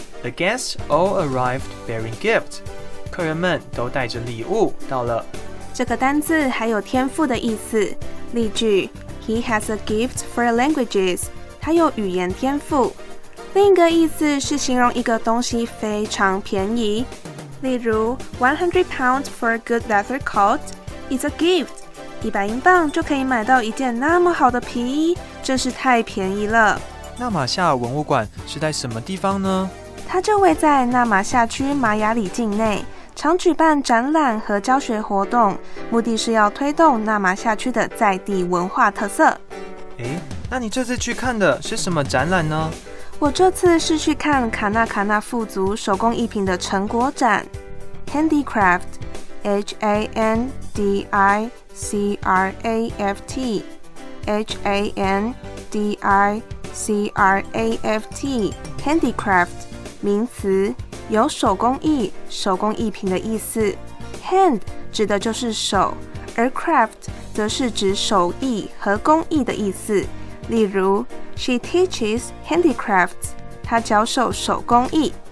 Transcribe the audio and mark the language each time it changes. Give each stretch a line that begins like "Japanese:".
English: ,The guests all arrived bearing gift.
Chinese: 客人们都带着礼物到了。这个单字还有天赋的意思。
English: 例句 ,He has a gift for languages,
Chinese: 他有语言天赋。另一个意思是形容一个东西非常便宜。例如 ,
English: 100 pounds for a good leather coat is a gift,
Chinese: 100英镑就可以买到一件那么好的皮衣，真是太便宜了。纳玛夏文物馆是在什么地方呢？它就位在纳玛夏区玛雅里境内，常举办展览和教学活动，目的是要推动纳玛夏区的在地文化特色。诶，那你这次去看的是什么展览呢？我这次是去看卡纳卡纳富族手工艺品的成果展
English: ，Handicraft, H A N D I C R A F T, H A N D I C R A F T, Handicraft.
Chinese: 名词，有手工艺、手工艺品的意思。 Hand 指的就是手，而 craft 则是指手艺和工艺的意思。例如 ，
English: She teaches handicrafts，
Chinese: 她教授手工艺。